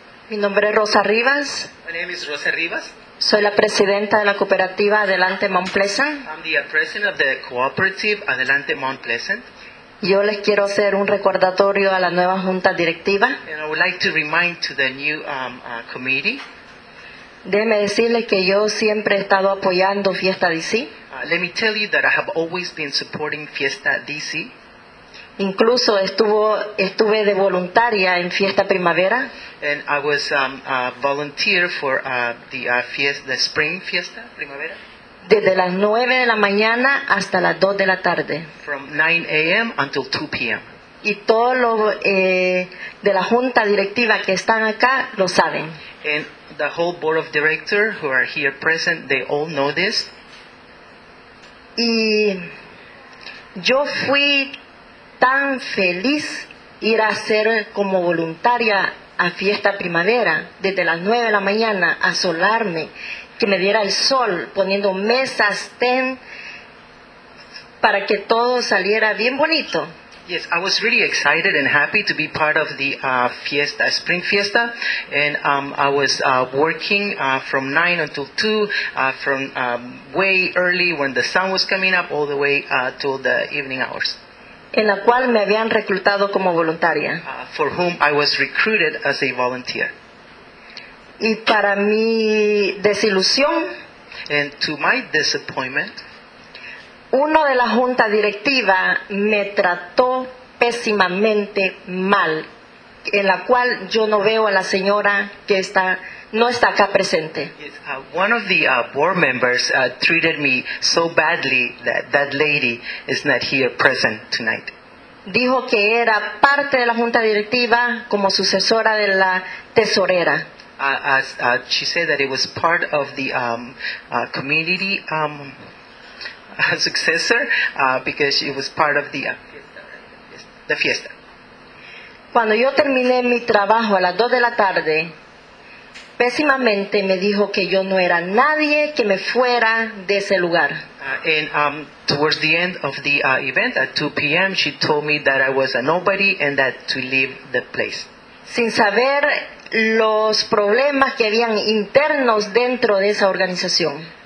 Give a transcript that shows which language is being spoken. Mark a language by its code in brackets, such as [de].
[es] Mi nombre es Rosa Rivas. [en] My name is Rosa Rivas. [es] Soy la presidenta de la cooperativa Adelante Mount Pleasant. [en] I'm the president of the cooperative Adelante Mount Pleasant. [es] Yo les quiero hacer un recordatorio a la nueva junta directiva. [en] And I would like to remind to the new committee. [es] Déjeme decirles que yo siempre he estado apoyando Fiesta DC. [en] Let me tell you that I have always been supporting Fiesta DC. [es] Incluso estuve de voluntaria en Fiesta Primavera. [en] And I was a volunteer for the spring fiesta, Primavera. [es] Desde las 9 de la mañana hasta las 2 de la tarde. [en] From 9 a.m. until 2 p.m. [es] Y todos los de la junta directiva que están acá lo saben. [en] And the whole board of directors who are here present, they all know this. [es] Y yo fui tan feliz ir a ser como voluntaria a Fiesta Primavera desde las 9 de la mañana a solarme, que me diera el sol poniendo mesas, ten, para que todo saliera bien bonito. [en] Yes, I was really excited and happy to be part of the Fiesta, Spring Fiesta, and I was working from 9 until 2, from way early when the sun was coming up all the way to the evening hours. [es] En la cual me habían reclutado como voluntaria. [en] For whom I was recruited as a volunteer. [es] Y para mi desilusión, [en] and to my disappointment, [es] uno de la junta directiva me trató pésimamente mal, en la cual yo no veo a la señora que está, no está acá presente. [en] One of the board members treated me so badly that that lady is not here present tonight. [es] Dijo que era parte de la junta directiva como sucesora de la tesorera. [en] She said that it was part of the community successor because it was part of the fiesta. [es] Cuando yo terminé mi trabajo a las 2 de la tarde, pésimamente me dijo que yo no era nadie que me fuera de ese lugar. [en] Towards the end of the event, at 2 p.m., she told me that I was a nobody and that to leave the place. [es] Sin saber los problemas que habían internos dentro de esa organización.